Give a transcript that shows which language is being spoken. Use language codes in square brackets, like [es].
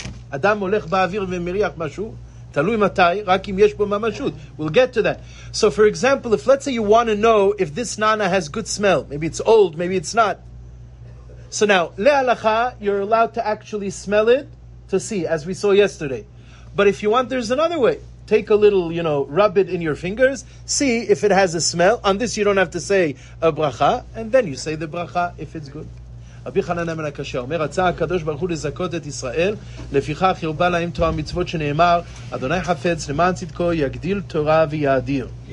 [he] אדם הולך באוויר ומריח משהו, תלוי מתי, רק אם יש בו ממשות. [en] We'll get to that. So for example, if let's say you want to know if this nana has good smell, maybe it's old, maybe it's not. So now, להלכה, you're allowed to actually smell it, to see, as we saw yesterday. But if you want, there's another way. Take a little, you know, rub it in your fingers, see if it has a smell. On this, you don't have to say a bracha, and then you say the bracha if it's good. [he] רבי חנן אמן הקשה אומר, רצה הקדוש ברוך הוא לזכות את ישראל, לפיכך ירבה להם תואר מצוות שנאמר, אדוני חפץ למען צדקו יגדיל תורה ויאדיר.